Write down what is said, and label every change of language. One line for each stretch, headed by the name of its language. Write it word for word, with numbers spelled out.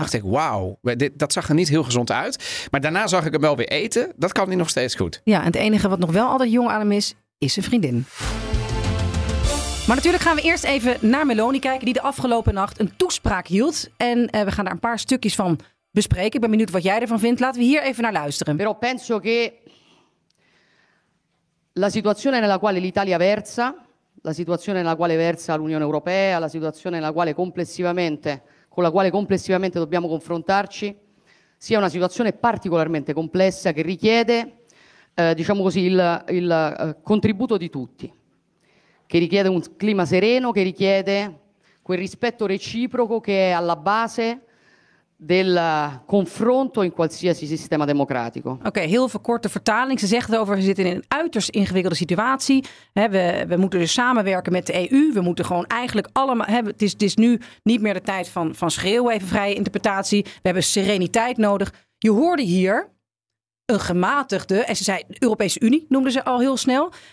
Dutch: dacht ik, wauw, dit, dat zag er niet heel gezond uit. Maar daarna zag ik hem wel weer eten. Dat kan hij nog steeds goed. Ja, en het enige wat nog wel altijd jong aan hem is, is zijn vriendin. Maar natuurlijk gaan we eerst even naar Meloni kijken, die de afgelopen nacht een toespraak hield. En eh, we gaan daar een paar stukjes van bespreken. Ik ben benieuwd wat jij ervan vindt. Laten we hier even naar luisteren.
Italian: Però penso che la situazione nella quale l'Italia versa, la situazione nella quale versa l'Unione Europea, la situazione nella quale complessivamente, con la quale complessivamente dobbiamo confrontarci, sia una situazione particolarmente complessa che richiede, eh, diciamo così, il, il eh, contributo di tutti, che richiede un clima sereno, che richiede quel rispetto reciproco che è alla base del confronto in qualsiasi sistema democratico.
Dutch: Oké, okay, heel veel korte vertaling. Ze zegt erover, we zitten in een uiterst ingewikkelde situatie. He, we, we moeten dus samenwerken met de E U. We moeten gewoon eigenlijk allemaal... He, het, is, het is nu niet meer de tijd van, van schreeuwen, even vrije interpretatie. We hebben sereniteit nodig. Je hoorde hier een gematigde... En ze zei, de Europese Unie noemde ze al heel snel.